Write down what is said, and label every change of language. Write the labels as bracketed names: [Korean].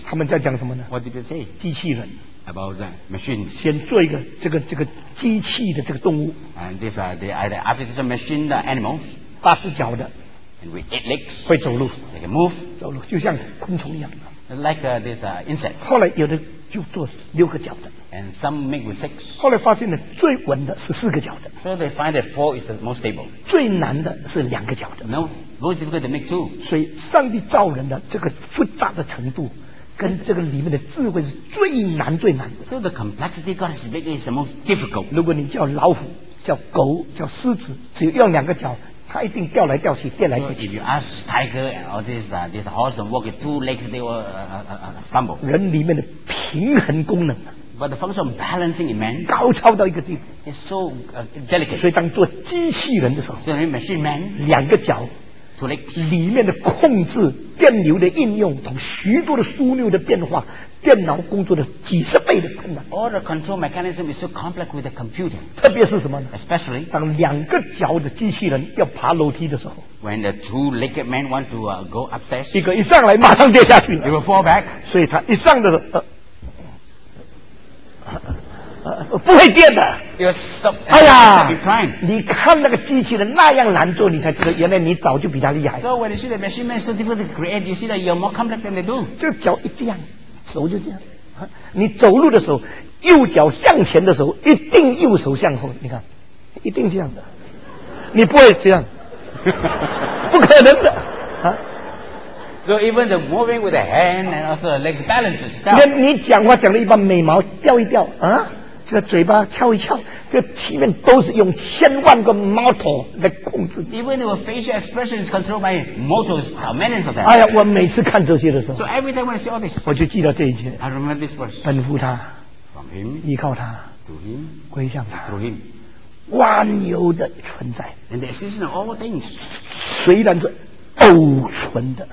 [Chinese] 他们在讲什么呢 [English] what did they say [Chinese] 机器人 [English] About the machine. [Chinese] 先做一个这个机器的这个动物。 [English] And this are the artificial machine the animals. [Chinese] 八只脚的。 [English] And with eight legs. [Chinese] 会走路。 [English] They can move. [Chinese] 走路就像昆虫一样的。 [English] Like this insect. [Chinese] 后来有的就做六个脚的。 [English] And some make with six. [Chinese] 后来发现呢，最稳的是四个脚的。 [English] So they find that four is the most stable. [Chinese] 最难的是两个脚的。 [English] No, most difficult to make two. [Chinese] 所以上帝造人的这个复杂的程度。跟这个里面的智慧是最难最难的。 [English] So the complexity God has made is the most difficult. [Chinese] 如果你叫老虎、叫狗、叫狮子，只有用两个脚，它一定掉来掉去，跌来跌去。 [English] So if you ask tiger and all this horse to walk with two legs, they will stumble. [Chinese] 人里面的平衡功能。 [English] But the function of balancing in man [Chinese] 高超到一个地步。 [English] It's so delicate. [Chinese] 所以当做机器人的时候。 [English] So when machine man [Chinese] 两个脚。出来，里面的控制电流的应用和许多的枢纽的变化，电脑工作的几十倍的困难。 [English] All the control mechanism is so complex with the computer. [Chinese] 特别是什么呢 [English] ？Especially [Chinese] 当两个脚的机器人要爬楼梯的时候。 [English] When the two-legged man want to go upstairs. [Chinese] 一个一上来马上跌下去了。 [English] They will fall back. [Chinese] 所以他一上的时候，不会跌的。 [English] You stop. [Chinese] 哎呀 [English] ，decline. [Chinese] 你看那个机器人那样难做，你才知道原来你早就比他厉害。 [English] So when you see the machine man so difficult to create, you see that you're more complex than they do. [Chinese] 这脚一这样。手就这样，你走路的时候，右脚向前的时候，一定右手向后。你看，一定这样的，你不会这样，不可能的。 [English] So even the moving with the hand and also the legs balance itself. [Chinese] 你讲话讲了一半，眉毛掉一掉啊，这个嘴巴翘一翘，这个、前面都是用千万个 motor 来控制。 [English] Even the facial expression is controlled by motors. How many of them? [Chinese] 哎呀，我每次看这些的时候 [English] ，So every time I see all this， [Chinese] 我就记得这一句。 [English] I remember this verse. [Chinese] 奔赴他 [English] ，from him， [Chinese] 依靠他 [English] ，to him， [Chinese] 归向他 [English] ，through him， [Chinese] 万有的存在 [English] ，and the existence of all things， [Chinese] 虽然是偶存的